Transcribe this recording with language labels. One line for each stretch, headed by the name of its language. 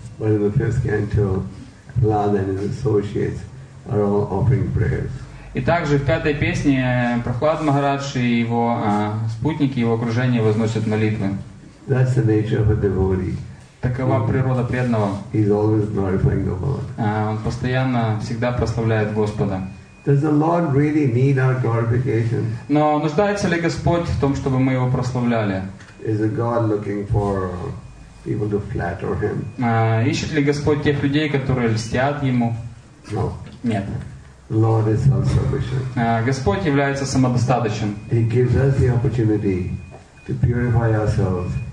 English: But in the first canto, Prahlad and his associates are all offering prayers.
Russian: И также в пятой песне Прохлад Махарадж и его спутники, его окружение возносят молитвы.
English: That's the nature of a devotee.
Russian: Такова природа преданного.
English: He's always glorifying the Lord.
Russian: Он постоянно, всегда прославляет Господа.
English: Does the Lord really need our glorification?
Russian: Но нуждается ли Господь в том, чтобы мы его прославляли?
English: Is the God looking for people to flatter him?
Russian: Ищет ли Господь тех людей, которые льстят ему?
English: No.
Russian: Нет.
English: The Lord is self-sufficient.
Russian: Господь является самодостаточен.
English: He gives us the opportunity to purify ourselves.